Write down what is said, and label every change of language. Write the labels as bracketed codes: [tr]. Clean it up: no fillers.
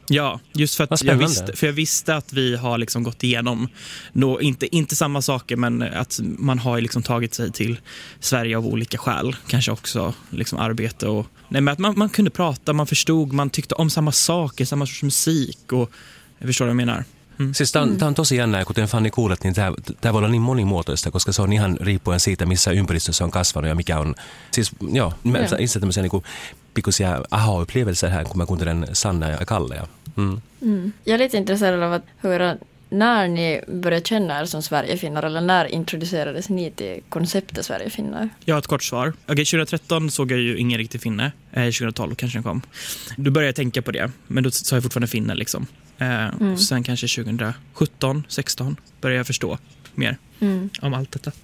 [sv] Ja, just för att jag visste att vi har liksom gått igenom inte samma saker, men att man har liksom tagit sig till Sverige av olika skäl. Kanske också liksom arbete. Och, nej, men att man kunde prata, man förstod, man tyckte om samma saker, samma sorts musik. Och, jag förstår vad jag menar. [fi] Siis tämä on tosi jännä, kuten Fanny kuulet, niin tämä voi olla niin monimuotoista, koska se on ihan riippuen siitä, missä ympäristössä on kasvanut ja mikä on. Siis joo, mä itse tämmöisiä niin pikkuisia [sv] aha-upplevelser här, [fi] kun mä kuuntelen Sanna ja Kalle. [sv] Jag är lite intresserad av att höra, när ni började känna er som sverigefinnar, eller när introducerades ni till konceptet sverigefinnar? Jag har ett kort svar. Okej, 2013 såg jag ju ingen riktig finne. 2012 kanske den kom. Då började jag tänka på det, men då sa jag fortfarande finne liksom. Och sen kanske 2017-16 började jag förstå mer om allt detta.